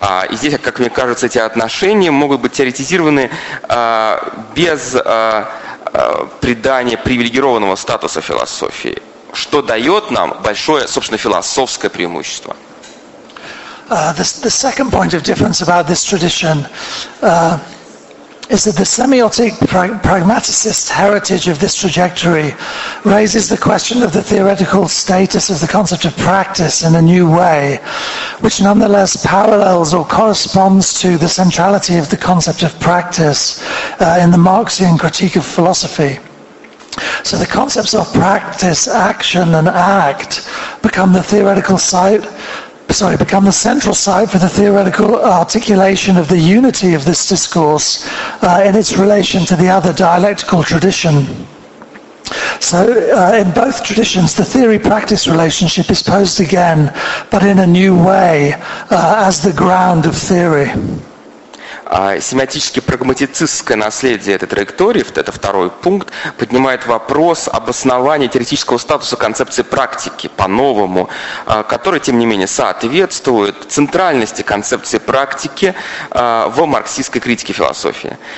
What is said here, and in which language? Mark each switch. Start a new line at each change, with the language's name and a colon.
Russian: И здесь, как мне кажется, эти отношения могут быть теоретизированы без придания привилегированного статуса философии, что дает нам большое, собственно, философское преимущество.
English: The second point of difference about this tradition is that the semiotic pragmaticist heritage of this trajectory raises the question of the theoretical status of the concept of practice in a new way, which nonetheless parallels or corresponds to the centrality of the concept of practice in the Marxian critique of philosophy. So the concepts of practice, action, and act become the central site for the theoretical articulation of the unity of this discourse in its relation to the other dialectical tradition. So in both traditions, the theory-practice relationship is posed again, but in a new way, as the ground of theory.
Russian: Семиотически прагматицистское наследие этой траектории, это второй пункт, поднимает вопрос об основании теоретического статуса концепции практики по-новому, который, тем не менее, соответствует центральности концепции практики в марксистской критике философии.